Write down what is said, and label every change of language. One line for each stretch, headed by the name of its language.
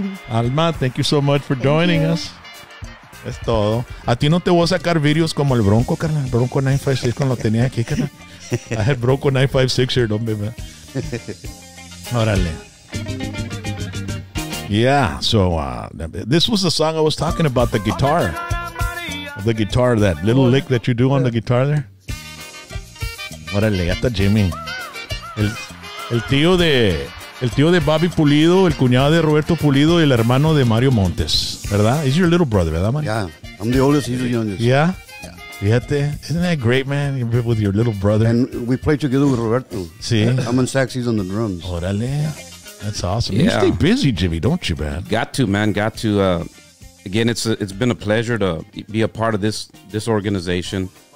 English: Alma, thank you so much for joining us.
Spanish: Es todo. A ti no te voy a sacar videos como el Bronco, carnal. El Bronco 956 cuando lo tenía aquí, carnal.
English: I had Bronco 956 here, don't be mad.
Spanish: Órale.
English: Yeah, so this was the song I was talking about, the guitar. The guitar, that little lick that you do on the guitar there.
Spanish: Órale, hasta Jimmy. El tío de Bobby Pulido, el cuñado de Roberto Pulido, el hermano de Mario Montes, ¿verdad?
English: He's your little brother, ¿verdad, Mario? Yeah, I'm the oldest, he's the youngest. Yeah? Fíjate, isn't that great, man, with your little brother? And we play together with Roberto.
Spanish: Sí.
English: I'm on sax, he's on the drums. Órale, that's awesome. Yeah. You stay busy, Jimmy, don't you, man? Got to. Again, it's been a pleasure to be a part of this organization.